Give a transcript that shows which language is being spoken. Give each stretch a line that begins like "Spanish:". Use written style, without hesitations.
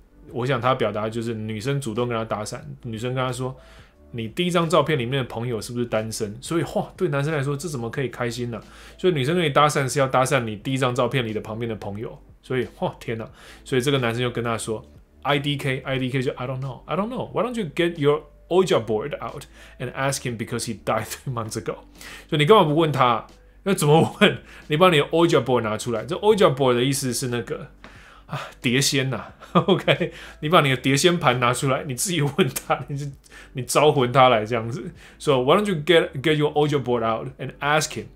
Chinese: 我想他表达就是女生主动跟他搭讪，女生跟他说：“你第一张照片里面的朋友是不是单身？” 所以哇，对男生来说这怎么可以开心呢、啊？所以女生跟你搭讪是要搭讪你第一张照片里的旁边的朋友，所以哇天哪、啊！所以这个男生就跟他说 ：“IDK，IDK 就
English: I don't know. Why don't you get your Ouija board out and ask him because he died 3 months ago？”
Chinese: 所以你干嘛不问他？那怎么问？你把你的 Ouija board 拿出来。这 Ouija board 的意思是那个。啊，碟仙啊 OK， 你把你的碟仙盘拿出来，你自己问他，你招魂他来这样子。
English: So why don't you get your Ouija board out and ask him？